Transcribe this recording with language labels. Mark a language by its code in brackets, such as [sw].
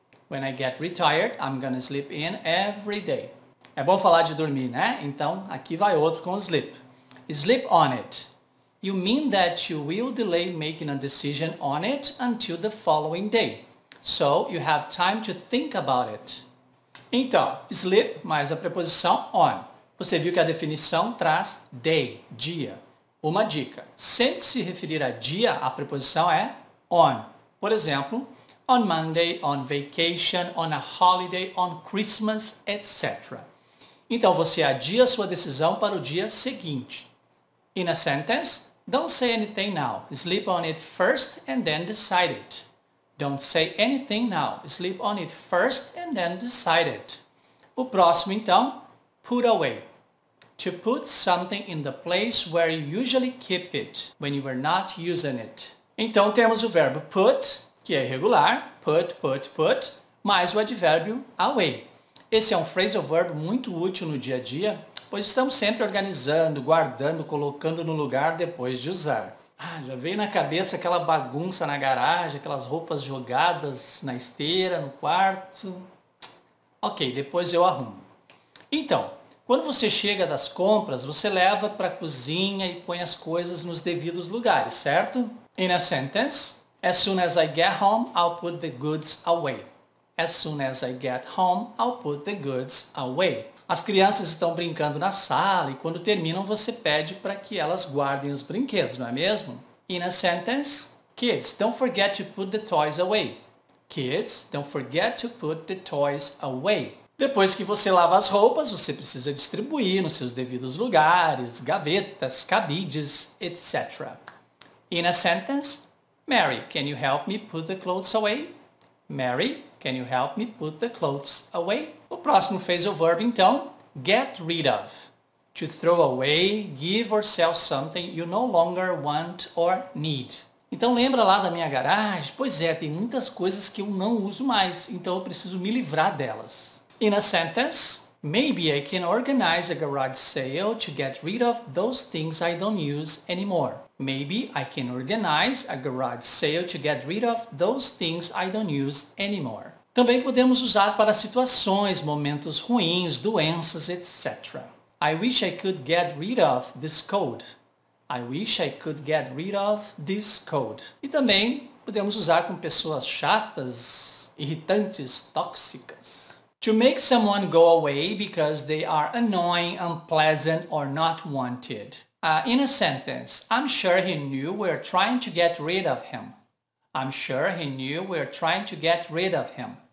[en] When I get retired, I'm gonna sleep in every day. [pt] É bom falar de dormir, né? Então, aqui vai outro com sleep. [en] Sleep on it. You mean that you will delay making a decision on it until the following day. So, you have time to think about it. [pt] Então, sleep mais a preposição on. Você viu que a definição traz day, dia. Uma dica. Sempre que se referir a dia, a preposição é on. Por exemplo, [en] on Monday, on vacation, on a holiday, on Christmas, [pt] etc. Então, você adia sua decisão para o dia seguinte. [en] In a sentence, don't say anything now. Sleep on it first and then decide it. Don't say anything now. Sleep on it first and then decide it. [pt] O próximo, então, [en] put away. To put something in the place where you usually keep it when you are not using it. [pt] Então, temos o verbo put, que é irregular. Put, put, put. Mais o advérbio away. Esse é um phrasal verb muito útil no dia a dia, pois estamos sempre organizando, guardando, colocando no lugar depois de usar. Ah, já veio na cabeça aquela bagunça na garagem, aquelas roupas jogadas na esteira, no quarto. Ok, depois eu arrumo. Então, quando você chega das compras, você leva para a cozinha e põe as coisas nos devidos lugares, certo? [en] In a sentence, as soon as I get home, I'll put the goods away. As soon as I get home, I'll put the goods away. [pt] As crianças estão brincando na sala e quando terminam você pede para que elas guardem os brinquedos, não é mesmo? [en] In a sentence, kids, don't forget to put the toys away. Kids, don't forget to put the toys away. [pt] Depois que você lava as roupas, você precisa distribuir nos seus devidos lugares, gavetas, cabides, etc. [en] In a sentence, Mary, can you help me put the clothes away? Mary, can you help me put the clothes away? [pt] O próximo phrasal verb, então, [en] get rid of. To throw away, give or sell something you no longer want or need. [pt] Então, lembra lá da minha garagem? Pois é, tem muitas coisas que eu não uso mais, então eu preciso me livrar delas. [en] In a sentence, maybe I can organize a garage sale to get rid of those things I don't use anymore. Maybe I can organize a garage sale to get rid of those things I don't use anymore. [pt] Também podemos usar para situações, momentos ruins, doenças, etc. [en] I wish I could get rid of this cold. I wish I could get rid of this cold. [pt] E também podemos usar com pessoas chatas, irritantes, tóxicas. [en] To make someone go away because they are annoying, unpleasant, or not wanted. In a sentence, I'm sure he knew we're trying to get rid of him. I'm sure he knew we're trying to get rid of him.